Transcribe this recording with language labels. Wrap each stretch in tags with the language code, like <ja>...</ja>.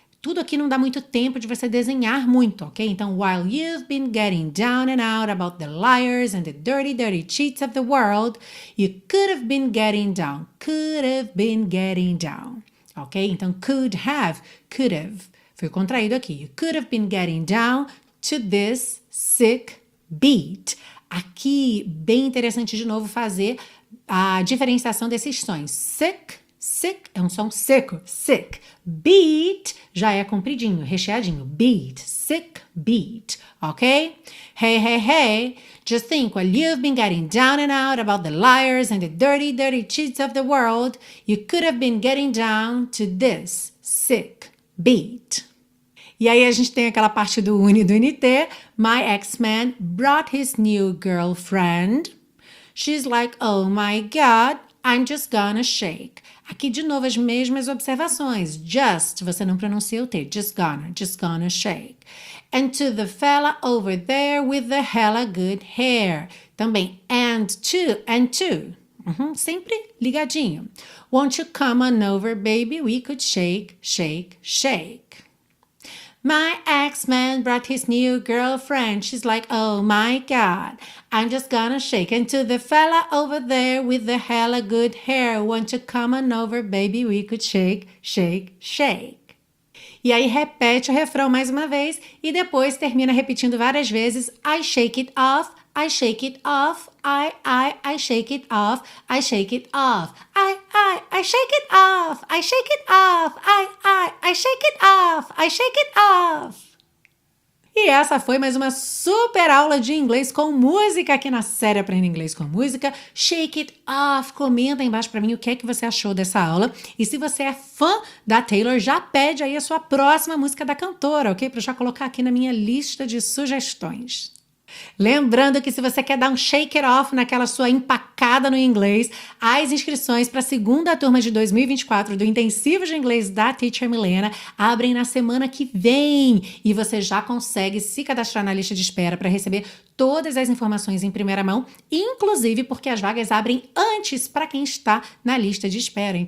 <pt>Tudo aqui não dá muito tempo de você desenhar muito, ok?</pt> <en>Então, while you've been getting down and out about the liars and the dirty, dirty cheats of the world, you could have been getting down, could have been getting down. Ok?</en> <pt>Então, could have, could have. Foi contraído aqui.</pt> <en>You could have been getting down to this sick beat.</en> <pt>Aqui, bem interessante de novo fazer a diferenciação desses sons. Sick, Sick é um som seco, sick. Beat já é compridinho, recheadinho.</pt> <en>Beat, sick beat, ok? Hey, hey, hey, just think while you've been getting down and out about the liars and the dirty, dirty cheats of the world, you could have been getting down to this sick beat.</en> <pt>E aí a gente tem aquela parte do Uni do NT.</pt> <en>My ex-man brought his new girlfriend. She's like, oh my God, I'm just gonna shake.</en> <pt>Aqui, de novo, as mesmas observações. Just, você não pronuncia o T.</pt> <en>Just gonna shake. And to the fella over there with the hella good hair.</en> <pt>Também,</pt> <en>and to.</en> <pt>Uhum, sempre ligadinho.</pt> <en>Won't you come on over, baby? We could shake, shake, shake. My ex-man brought his new girlfriend. She's like, oh my God, I'm just gonna shake. And to the fella over there with the hella good hair, won't you come on over, baby, we could shake, shake, shake.</en> <pt>E aí repete o refrão mais uma vez e depois termina repetindo várias vezes.</pt> <en>I shake it off, I shake it off, I shake it off, I shake it off. I shake it off, I shake it off, I shake it off, I shake it off.</en> <pt>E essa foi mais uma super aula de inglês com música aqui na série Aprenda Inglês com Música. Shake it off. Comenta aí embaixo pra mim o que é que você achou dessa aula. E se você é fã da Taylor, já pede aí a sua próxima música da cantora, ok? Pra eu já colocar aqui na minha lista de sugestões. Lembrando que se você quer dar um shake it off naquela sua empacada no inglês, as inscrições para a segunda turma de 2024 do Intensivo de Inglês da Teacher Milena abrem na semana que vem e você já consegue se cadastrar na lista de espera para receber todas as informações em primeira mão, inclusive porque as vagas abrem antes para quem está na lista de espera.</pt>